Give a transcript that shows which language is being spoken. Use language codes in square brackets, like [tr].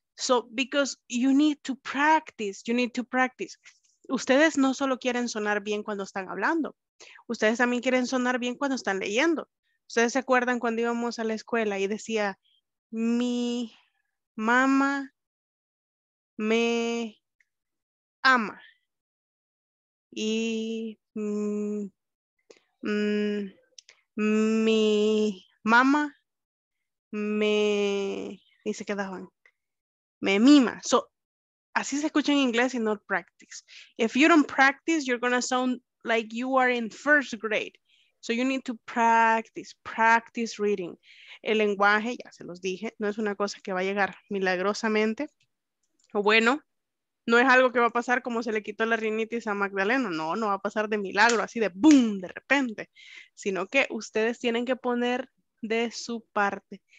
[en] So, because you need to practice, you need to practice. [es] Ustedes no solo quieren sonar bien cuando están hablando, ustedes también quieren sonar bien cuando están leyendo. ¿Ustedes se acuerdan cuando íbamos a la escuela y decía, mi mamá me ama? Y mi mamá me, y se quedaban, me mima. So, así se escucha en inglés y no practice. [en] If you don't practice, you're gonna sound like you are in first grade. So you need to practice, practice reading. [es] El lenguaje, ya se los dije, no es una cosa que va a llegar milagrosamente. O bueno, no es algo que va a pasar como se le quitó la rinitis a Magdalena. No, no va a pasar de milagro, así de boom, de repente. Sino que ustedes tienen que poner de su parte.